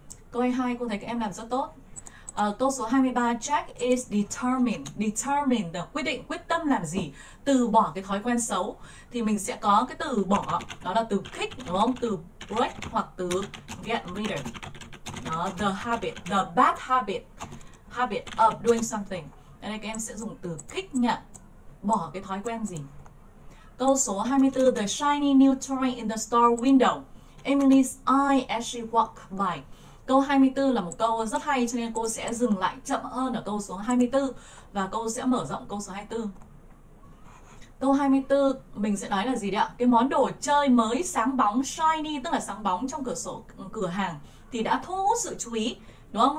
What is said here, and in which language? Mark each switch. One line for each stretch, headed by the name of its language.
Vietnamese: Câu 22 cô thấy các em làm rất tốt. Câu số 23.
English: Jack is determined. Determined,
Vietnamese: quyết định, quyết tâm làm gì? Từ bỏ cái thói quen xấu. Thì mình sẽ có cái từ bỏ. Đó là từ kick, đúng không? Từ break hoặc từ
English: get rid of. Đó, the habit, the bad habit, habit of doing something.
Vietnamese: Ở đây các em sẽ dùng từ kick nhá. Bỏ cái thói quen gì? Câu số 24.
English: The shiny new toy in the store window. Emily's eye as she walked by.
Vietnamese: Câu 24 là một câu rất hay cho nên cô sẽ dừng lại chậm hơn ở câu số 24 và cô sẽ mở rộng câu số 24. Câu 24 mình sẽ nói là gì đấy ạ? Cái món đồ chơi mới sáng bóng, shiny, tức là sáng bóng trong cửa sổ cửa hàng thì đã thu hút sự chú ý. Đúng không?